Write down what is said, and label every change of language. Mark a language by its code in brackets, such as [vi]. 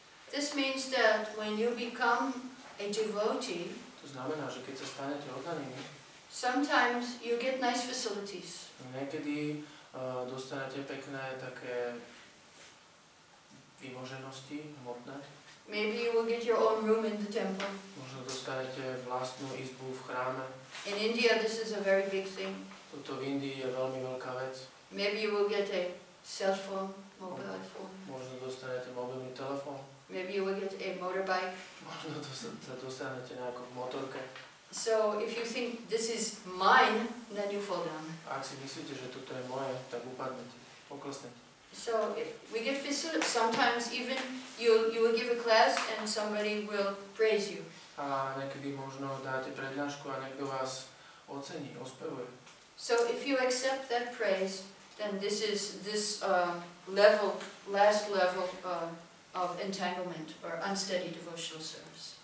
[en] This means that when you become a devotee, [sk] to znamená, že keď sa stanete oddaným, [en] sometimes you get nice facilities. [sk] Niekedy dostanete pekné také vymoženosti hmotné. [en] Maybe you will get your own room in the temple. [sk] Možno dostanete vlastnú izbu v chráme. [en] In India this is a very big thing. [sk] Toto v Indii je veľmi veľká vec. [en] Maybe you will get a cell phone, mobile phone. [sk] Možno dostanete mobilný telefón. [en] Maybe you will get a motorbike. [sk] Možno dostanete nejakú motorku. [en] So if you think this is mine, then you fall down. [sk] Ak si myslíte, že toto je moje, tak upadnete, poklesnete. [en] So if we get facilities, sometimes even you will give a class and somebody will praise you. [sk] A niekedy možno dáte prednášku a niekto vás ocení, ospevuje. [en] So if you accept that praise, then this is this level, last level of entanglement or unsteady devotional service.